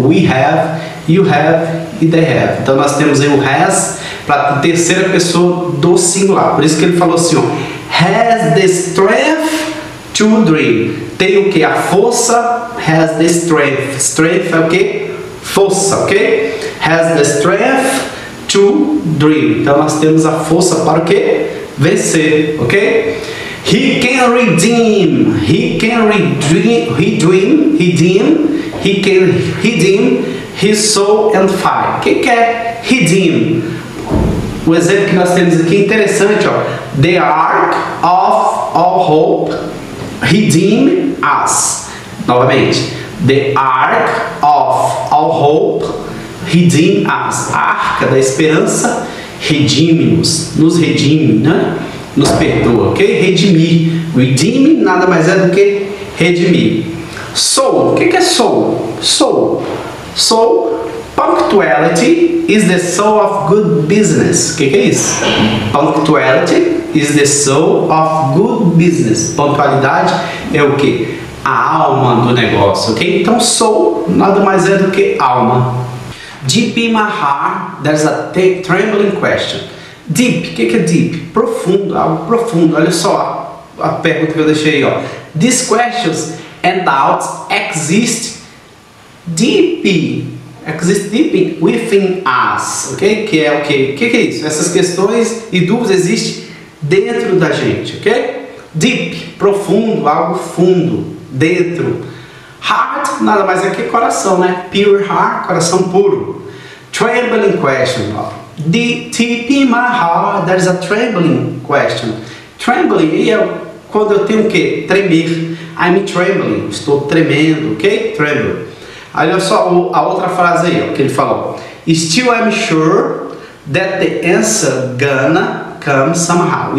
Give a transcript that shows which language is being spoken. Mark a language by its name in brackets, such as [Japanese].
[English] We have, you have e they have. [Portuguese] Então nós temos aí o has para a terceira pessoa do singular. Por isso que ele falou assim, ó, [English] has the strength to dream. [Portuguese] Tem o quê? A força. [English] Has the strength. [Portuguese] Strength é o quê? Força, ok? [English] Has the strength to dream. [Portuguese] Então nós temos a força para o quê? Vencer, [English] ok? He can redeem. He can redeem. Redeem. He can redeem his soul and fight. [Portuguese] O que é redeem? O exemplo que nós temos aqui é interessante, ó. [English] The ark of all hope redeem us. [Portuguese] Novamente. [English] The ark of all hope redeem us. [Portuguese] A arca da esperança, redime-nos, nos redime, né? Nos perdoa, ok? Redimir. Redeem nada mais é do que redimir. Soul, o que é soul? Soul. [English] Soul, punctuality is the soul of good business. [Portuguese] O que é isso? [English] Punctuality is the soul of good business. [Portuguese] Pontualidade é o quê? A alma do negócio, ok? Então, soul nada mais é do que alma. [English] Deep in my heart, there's a trembling question. [Portuguese] Deep, o que é deep? Profundo, algo profundo. Olha só a pergunta que eu deixei aí, ó. [English] These questions and doubts exist deep. Exist deep within us, [Portuguese] ok? Que é o quê? O que é isso? Essas questões e dúvidas existem dentro da gente, ok? Deep, profundo, algo fundo, dentro. Heart, nada mais é que coração, né? [English] Pure heart, [Portuguese] coração puro. [English] Trembling question. Deep in my heart, there is a trembling question. [Portuguese] Trembling, e é quando eu tenho o quê? Tremer. [English] I'm trembling. [Portuguese] Estou tremendo, ok? Tremble. Olha só a outra frase aí, ó, que ele falou. [English] Still I'm sure that the answer gonna come somehow.